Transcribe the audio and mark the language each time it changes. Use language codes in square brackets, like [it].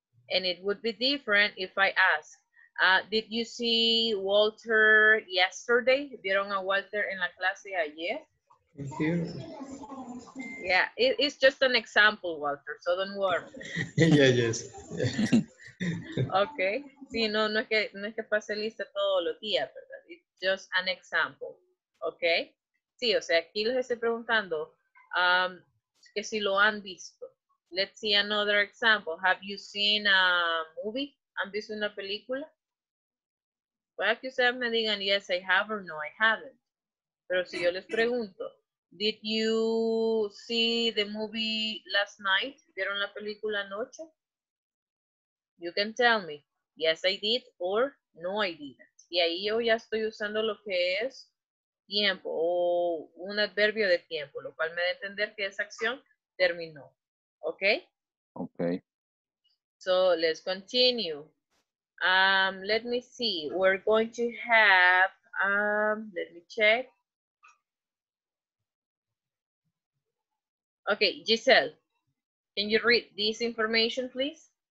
[en] And it would be different if I ask. Did you see Walter yesterday? [es] ¿Vieron a Walter en la clase ayer? [en] He's here. Yeah, it's just an example, Walter, so don't worry. Yeah, yes. Okay. [es] Sí, no es que pase lista todos los días, ¿verdad? [en] It's just an example. [es] Okay. Sí, o sea, aquí les estoy preguntando que si lo han visto. [en] Let's see another example. Have you seen a movie? [es] ¿Han visto una película? Puede que ustedes me digan, [en] yes, I have or no, I haven't. [es] Pero si yo les pregunto, [en] did you see the movie last night? [es] ¿Vieron la película anoche? [en] You can tell me, yes, I did or no, I didn't. [es] Y ahí yo ya estoy usando lo que es tiempo o un adverbio de tiempo, lo cual me da a entender que esa acción terminó. ¿Ok? Ok. [en] So, let's continue. Let me see, we're going to have, let me check. Okay, Giselle, can you read this information, please?